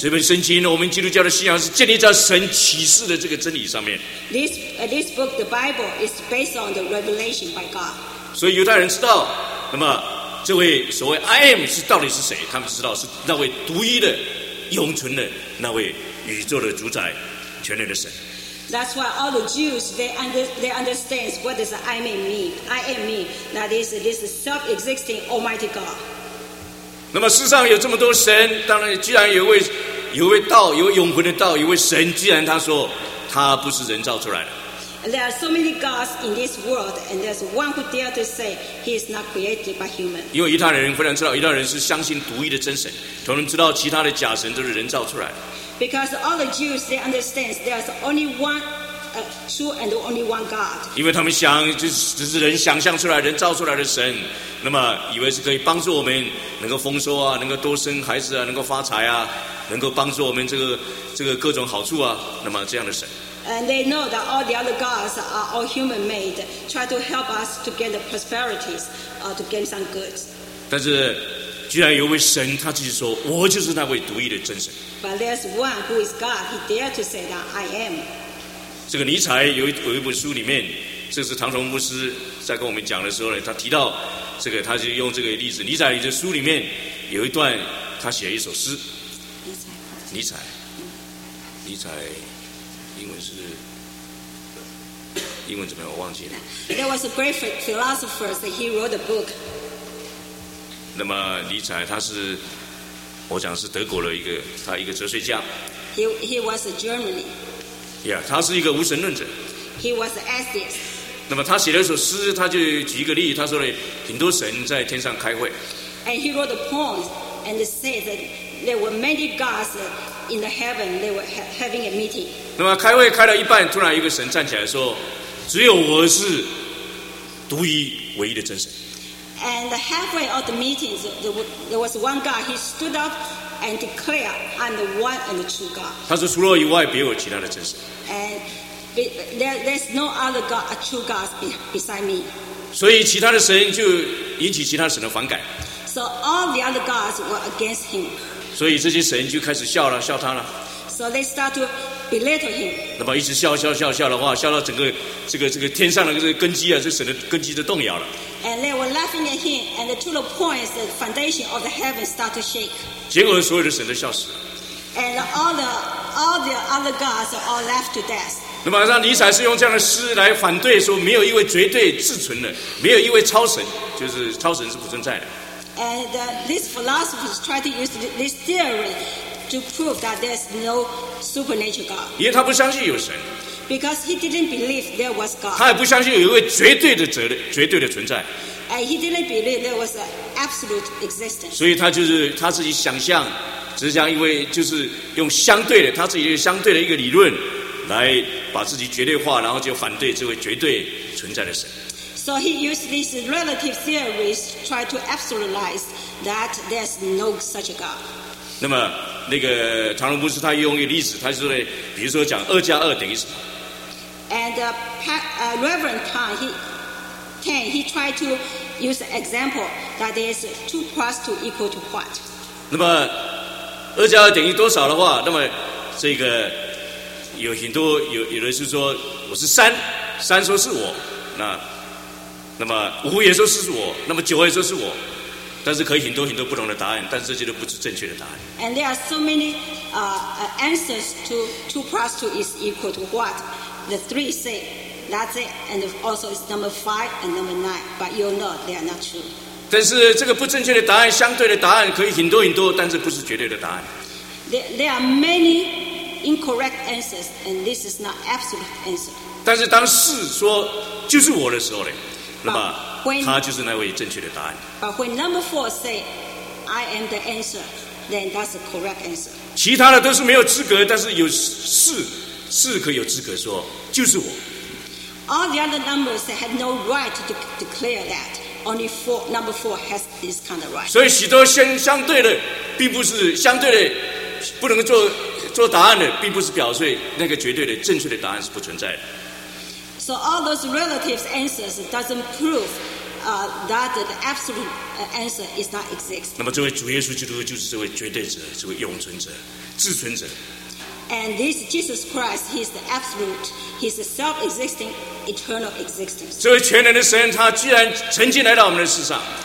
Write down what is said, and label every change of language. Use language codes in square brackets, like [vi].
[zh] 这本圣经，我们基督教的信仰是建立在神启示的这个真理上面。 [en] This book, the Bible, is based on the revelation by God. [zh] 所以犹太人知道，那么这位所谓 [en] I am [zh] 是到底是谁？他们知道是那位独一的、永存的那位宇宙的主宰、全能的神。 [en] That's why all the Jews they understand what does I am mean. I am mean. That is this self-existing Almighty God. [zh] 那么世上有这么多神，当然既然有位道，有永恒的道，有位神，既然他说他不是人造出来的。 [en] And there are so many gods in this world, and there's one who dare to say he is not created by human. [zh] 因为犹太人非常知道，犹太人是相信独一的真神，同时知道其他的假神都是人造出来的。 [en] Because all the Jews they understand there's only one true and only one God. [zh] 因为他们想就是只是人想象出来、人造出来的神，那么以为是可以帮助我们能够丰收啊，能够多生孩子啊，能够发财啊，能够帮助我们这个各种好处啊，那么这样的神。 [en] And they know that all the other gods are all human made, try to help us to get the prosperities, to gain some goods. [zh] 但是居然有位神，他自己说：“我就是那位独一的真神。” [en] But there's one who is God. He dared to say that I am. [zh] 这个尼采有一本书里面，这是唐崇牧师在跟我们讲的时候呢，他提到这个，他就用这个例子。尼采的书里面有一段，他写一首诗。尼采，英文是。英文怎么样？我忘记了。 [en] There was a great philosopher. He wrote a book. [zh] 那么尼采他是，我讲是德国的一个哲学家。 [en] He was a German. [zh] Yeah, 他是一个无神论者。 [en] He was an atheist. [zh] 那么他写了一首诗，他就举一个例，他说呢，很多神在天上开会。 [en] And he wrote a poem and said that there were many gods in the heaven. They were having a meeting. [zh] 那么开会开到一半，突然一个神站起来说：“只有我是独一唯一的真神。” [en] And halfway of the meeting, there was one guy. He stood up and declare I'm the one and the true God. [zh] 他说除了我以外，别有其他的真神。 [en] And there's no other God, a true God beside me. [zh] 所以其他的神就引起其他神的反感。 [en] So all the other gods were against him. [zh] 所以这些神就开始笑了，笑他了。 [en] So they start to belittle him. [zh] 那么一直笑笑笑笑的话，笑到整个这个天上的这个根基啊，这神的根基就动摇了。 [en] And they were laughing at him, and to the point the foundation of the heavens start to shake. [zh] 结果所有的神都笑死了。 [en] And all the other gods are all left to death. [zh] 那么让尼采是用这样的诗来反对说，没有一位绝对至存的，没有一位超神，就是超神是不存在的。 [en] And this philosopher is trying to use this theory to prove that there's no supernatural God. [zh] 因为他不相信有神。 [en] Because he didn't believe there was God. [zh] 他也不相信有一位绝对的责任，绝对的存在。 [en] And he didn't believe there was an absolute existence. [zh] 所以他就是他自己想象，只是想因为就是用相对的，他自己相对的一个理论，来把自己绝对化，然后就反对这位绝对存在的神。 [en] So he used these relative theories to try to absolutize that there's no such a God. [zh] 那么那个唐荣牧师他用一个例子，他说呢，比如说讲二加二等于什么 [en] ？And Reverend Tang he tried to use an example that is 2 + 2 equal to what? [zh] 那么二加二等于多少的话，那么这个有很多有的是说我是三，三说是我，那。那么五也说是我，那么九也说是我，但是可以很多很多不同的答案，但是这些都不是正确的答案。 [en] And there are so many answers to 2 + 2 is equal to what? The 3 say that's it, and also it's number 5 and number 9, but you know they are not true. [zh] 但是这个不正确的答案，相对的答案可以很多很多，但是不是绝对的答案。 [en] There are many incorrect answers, and this is not absolute answer. [zh] 但是当四说就是我的时候呢？那么他就是那位正确的答案。 [en] But when number 4 say I am the answer, then that's the correct answer. [zh] 其他的都是没有资格，但是有四可以有资格说就是我。 [en] All the other numbers they had no right to declare that. Only number four has this kind of right. [zh] 所以许多相对的，并不是相对的不能做答案的，并不是表示那个绝对的正确的答案是不存在的。 [en] So all those relative answers doesn't prove that the absolute answer is not exist. [zh] 那么这位主耶稣基督就是这位绝对者，这位永存者，至存者。 [en] And this Jesus Christ, he's the absolute, he's the self-existing, eternal existence. [zh] 这位全能的神，他居然曾经来到我们的世上。